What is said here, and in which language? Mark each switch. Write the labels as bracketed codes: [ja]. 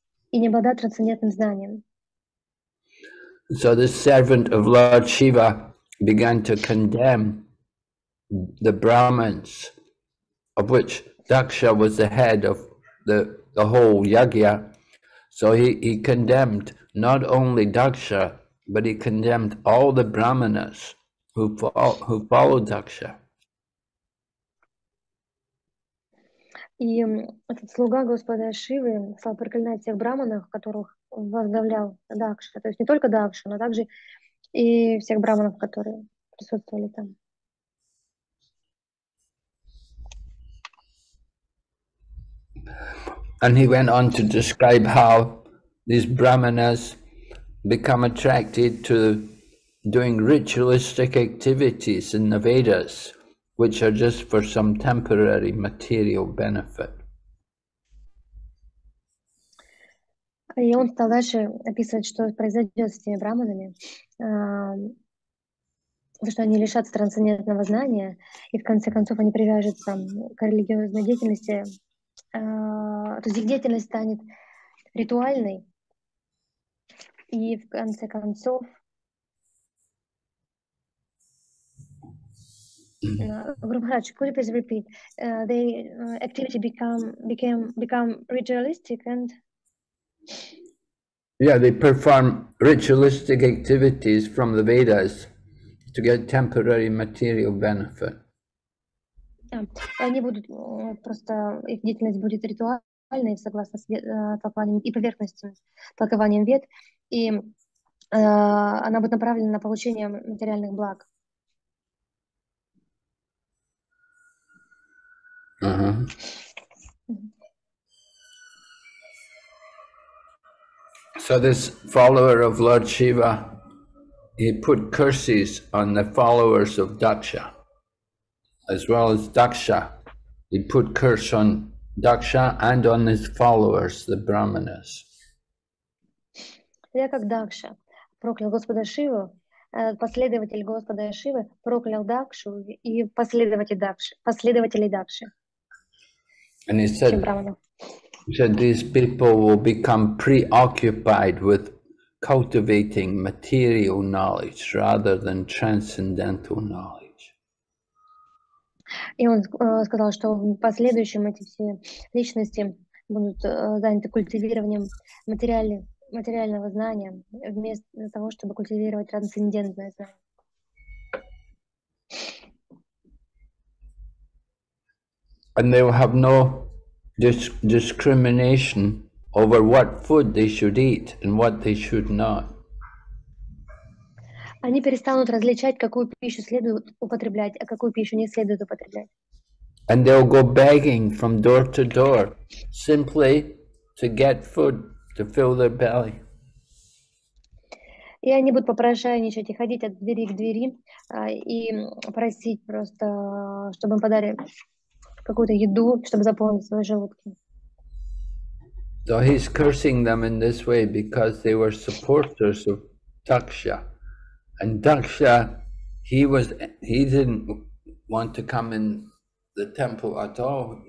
[ru] и не обладает трансцендентным знанием. [en] So the servant of Lord Shiva began to condemn the Brahmins, of which Daksha was the head of the whole Yajna. So he condemned not only Daksha, but he condemned all the Brahmanas who followed Daksha. [ru] И этот слуга Господа Шивы стал проклинать всех браманов, которых возглавлял Дакша. То есть не только Дакша, но также и всех браманов, которые присутствовали там. [en] And he went on to describe how these brahmanas become attracted to doing ritualistic activities in the Vedas, which are just for some temporary material benefit. [ru] И он стал дальше описывать, что произойдет с этими браманами, что они лишатся трансцендентного знания, и в конце концов они привяжутся к религиозной деятельности, то есть их деятельность станет ритуальной, и в конце концов [en] please repeat. The activity become ritualistic and yeah, they perform ritualistic activities from the Vedas to get temporary material benefit. [ru] Они будут просто их деятельность будет ритуальной согласно толкованию и поверхности толкованием вед, и она будет направлена на получение материальных благ. [en] So this follower of Lord Shiva, he put curses on the followers of Daksha, as well as Daksha. He put curse on Daksha and on his followers, the Brahmanas. [ru] Я как Дакша проклял Господа Шиву, последователь Господа Шивы проклял Дакшу и последователей Дакши. [en] And he said these people will become preoccupied with cultivating material knowledge rather than transcendental knowledge. [ru] И он сказал, что в последующем эти все личности будут заняты культивированием материального знания вместо того, чтобы культивировать трансцендентное знание. [en] And they will have no discrimination over what food they should eat and what they should not. [ru] Они перестанут различать, какую пищу следует употреблять, а какую пищу не следует употреблять. [en] And they will go begging from door to door simply to get food to fill their belly. [ru] И они будут попрошайничать и ходить от двери к двери и просить просто, чтобы им подарили какую-то еду, чтобы заполнить свои желудки. [en] So he's cursing them in this way because they were supporters of Daksha. And Daksha, he didn't want to come in the temple at all.